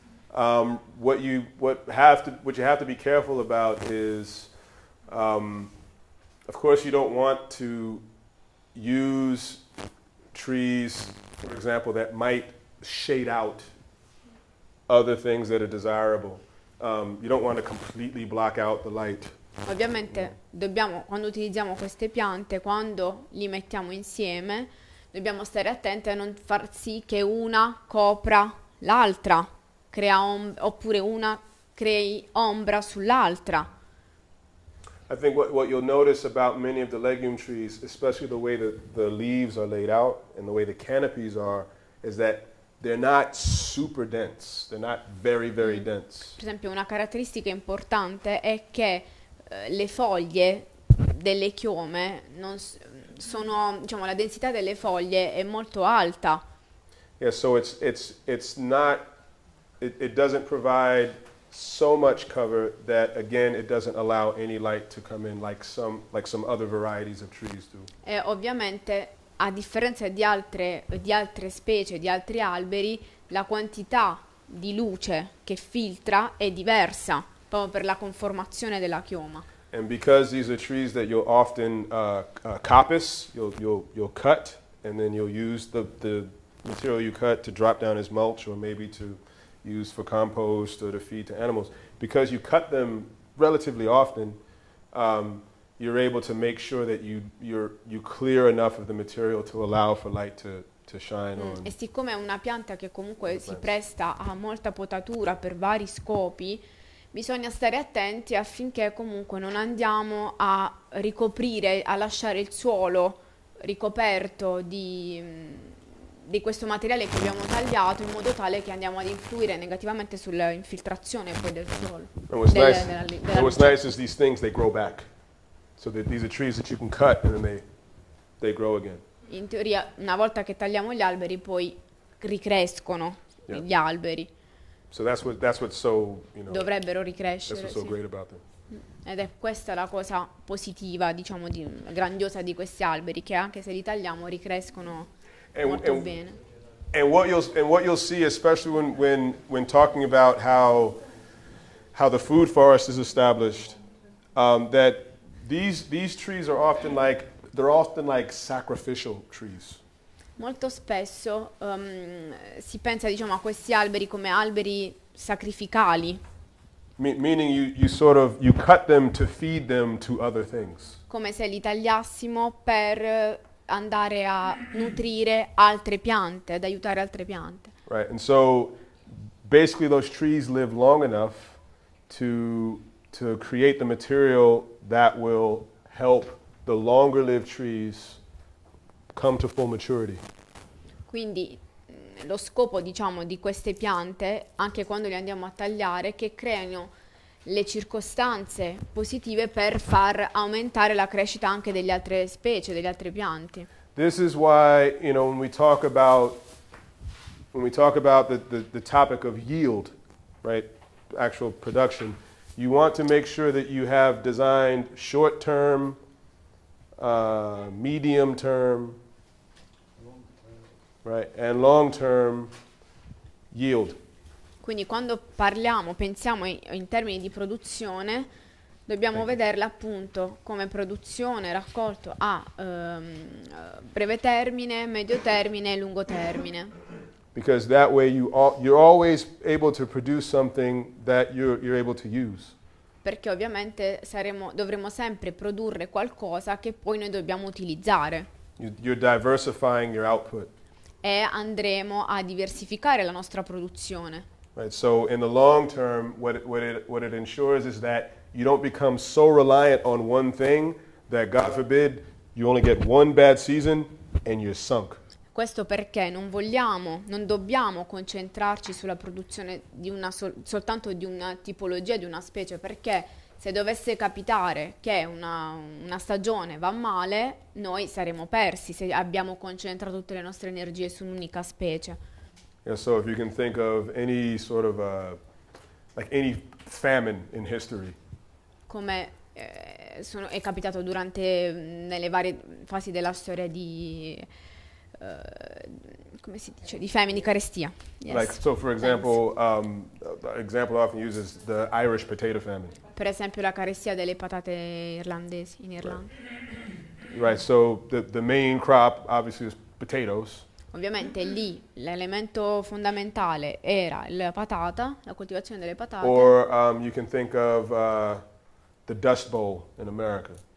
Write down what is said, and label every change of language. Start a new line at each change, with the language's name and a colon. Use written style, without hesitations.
English: What you have to be careful about is, of course, you don't want to use trees, for example, that might shade out other things that are desirable. You don't want to completely block out the light.
Italian: Ovviamente dobbiamo, quando utilizziamo queste piante, quando li mettiamo insieme, dobbiamo stare attenti a non far sì che una copra l'altra, crea oppure una crei ombra sull'altra.
English: I think what you'll notice about many of the legume trees, especially the way that the leaves are laid out and the way the canopies are, is that they're not super dense. They're not very, very dense.
Italian: Per esempio, una caratteristica importante è che le foglie delle chiome non sono, diciamo, la densità delle foglie è molto alta.
English: Yeah, so it's not. It doesn't provide so much cover that, again, it doesn't allow any light to come in like some other varieties of trees do.
Italian: E ovviamente, a differenza di altre specie, di altri alberi, la quantità di luce che filtra è diversa, proprio per la conformazione della chioma.
English: And because these are trees that you'll often coppice, you'll cut, and then you'll use the material you cut to drop down as mulch or maybe to use for compost or to feed to animals. Because you cut them relatively often, you're able to make sure that you clear enough of the material to allow for light to shine on.
Italian: E siccome è una pianta che comunque si presta a molta potatura per vari scopi, bisogna stare attenti affinché comunque non andiamo a ricoprire, a lasciare il suolo ricoperto di questo materiale che abbiamo tagliato in modo tale che andiamo ad influire negativamente sull'infiltrazione poi del suolo.
English: What's nice is these things, they grow back. So that these are trees that you can cut and then they grow again.
Italian: In teoria, una volta che tagliamo gli alberi, poi ricrescono gli alberi.
English: So that's what's so, you know.
Italian: Dovrebbero ricrescere.
English: That's what's so great about them.
Italian: Ed è questa la cosa positiva, diciamo, grandiosa di questi alberi, che anche se li tagliamo ricrescono molto bene.
English: And what you'll see, especially when talking about how the food forest is established, that These trees are often like sacrificial trees.
Italian: Molto spesso si pensa, diciamo, a questi alberi come alberi sacrificali.
English: Meaning you cut them to feed them to other things.
Italian: Come se li tagliassimo per andare a nutrire altre piante, ad aiutare altre piante.
English: Right, and so basically those trees live long enough to create the material that will help the longer lived trees come to full maturity.
Italian: Quindi lo scopo, diciamo, di queste piante, anche quando le andiamo a tagliare, è che creino le circostanze positive per far aumentare la crescita anche delle altre specie, delle altre piante.
English: This is why, you know, when we talk about the topic of yield, right? Actual production. You want to make sure that you have designed short-term medium term, right, and long term yield.
Italian: Quindi quando parliamo, pensiamo in termini di produzione, dobbiamo vederla appunto come produzione, raccolto a breve termine, medio termine e lungo termine.
English: Because that way you're always able to produce something that you're able to use.
Italian: Perché ovviamente dovremo sempre produrre qualcosa che poi noi dobbiamo utilizzare.
English: You're diversifying your output.
Italian: E andremo a diversificare la nostra produzione.
English: Right, so in the long term what it ensures is that you don't become so reliant on one thing that, God forbid, you only get one bad season and you're sunk.
Italian: Questo perché non dobbiamo concentrarci sulla produzione di una soltanto di una tipologia, di una specie, perché se dovesse capitare che una stagione va male, noi saremo persi se abbiamo concentrato tutte le nostre energie su un'unica specie.
English: Yeah, so if you can think of any sort of like any famine in history.
Italian: Come è capitato durante nelle varie fasi della storia di come si dice, di famine, di carestia.
English: Yes. Like, so for example, example I often use is the Irish potato famine.
Italian: Per esempio la carestia delle patate irlandesi in Irlanda.
English: Right, so the main crop obviously is potatoes.
Italian: Ovviamente lì l'elemento fondamentale era la patata, la coltivazione delle patate.
English: Or you can think of the Dust Bowl in America.